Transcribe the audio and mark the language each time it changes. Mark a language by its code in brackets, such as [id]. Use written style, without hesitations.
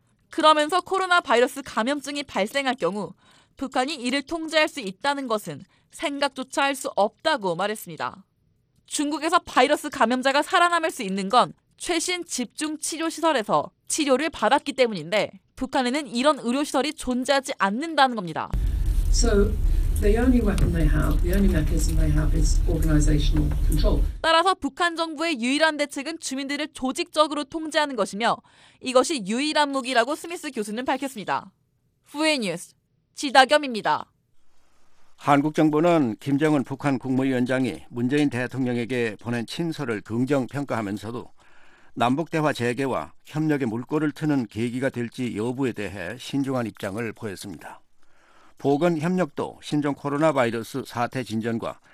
[ko] 그러면서 코로나 바이러스 감염증이 발생할 경우 북한이 이를 통제할 수 있다는 것은 생각조차 할 수 없다고 말했습니다. 중국에서 바이러스 감염자가 살아남을 수 있는 건 최신 집중치료시설에서 치료를 받았기 때문인데 북한에는 이런 의료시설이 존재하지 않는다는 겁니다. [en] So the only weapon they have, the only mechanism they have is organizational control. [ko] 따라서 북한 정부의 유일한 대책은 주민들을 조직적으로 통제하는 것이며 이것이 유일한 무기라고 스미스 교수는 밝혔습니다. 후에뉴스 지다겸입니다. 한국 정부는 김정은 북한 국무위원장이 문재인 대통령에게 보낸 친서를 긍정 평가하면서도 남북 대화 재개와 협력의 물꼬를 트는 계기가 될지 여부에 대해 신중한 입장을 보였습니다. 보건 협력도 신종 코로나 바이러스 사태 진전과